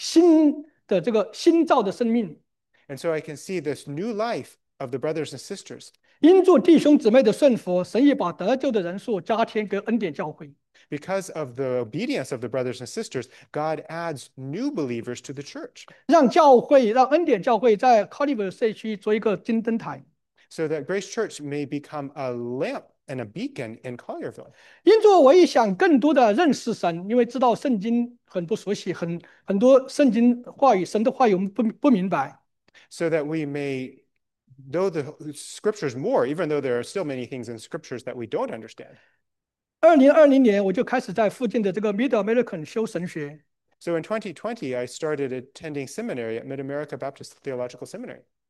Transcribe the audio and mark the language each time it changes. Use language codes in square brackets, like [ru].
[zh] 以见证弟兄姊妹在主里的新的这个新造的生命。 [en] And so I can see this new life of the brothers and sisters. [zh] 因着弟兄姊妹的顺服，神也把得救的人数加添给恩典教会。 [en] Because of the obedience of the brothers and sisters, God adds new believers to the church. [zh] 让教会，让恩典教会在Colliver社区做一个金灯台。 [en] So that Grace Church may become a lamp and a beacon in Collierville. [zh] 因着我也想更多的认识神，因为知道圣经很不熟悉，很多圣经话语，神的话语我们不明白。 [en] So that we may know the scriptures more, even though there are still many things in scriptures that we don't understand. [zh] 2020年我就开始在附近的这个Mid American修神学。 [en] So in 2020, I started attending seminary at Mid-America Baptist Theological Seminary.